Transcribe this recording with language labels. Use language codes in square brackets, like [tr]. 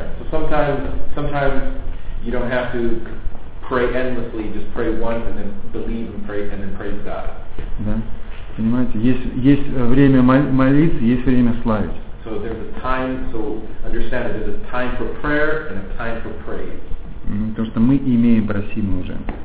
[en] So sometimes you don't have to pray endlessly, just pray once and then believe and pray and then praise God. [ru] Да? Понимаете, есть время молиться, есть время славить. [en] So there's a time, so understand that there's a time for prayer and a time for praise. [ru] Потому что мы имеем просимое уже.